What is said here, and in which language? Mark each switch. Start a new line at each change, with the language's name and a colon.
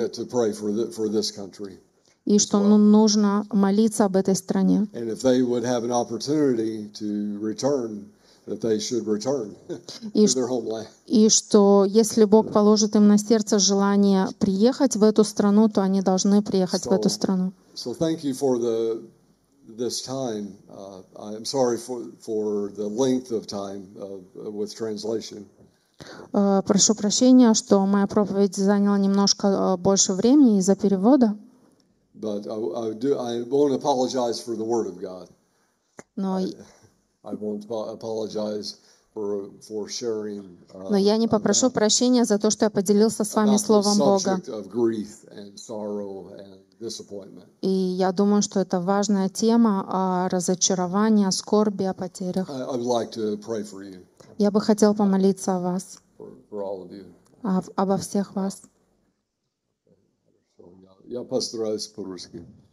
English: And not to forget to pray for this country.
Russian: И что нужно молиться об этой стране.
English: And if they would have an opportunity to return, that they should return to their homeland.
Russian: И что если Бог положит им на сердце желание приехать в эту страну, то они должны приехать в эту страну.
English: So thank you for this time. I'm sorry for the length of time with translation.
Russian: Прошу прощения, что моя проповедь заняла немножко больше времени из-за перевода.
English: But I won't apologize for the word of God. No, I won't apologize for sharing.
Russian: Но я не попрошу прощения за то, что я поделился с вами словом Бога.
English: About the subject of grief and sorrow and disappointment.
Russian: И я думаю, что это важная тема о разочаровании, о скорби, о потерях.
English: I would like to pray for you.
Russian: Я бы хотел помолиться о вас.
English: For all of you.
Russian: обо всех вас. Я постараюсь по-русски.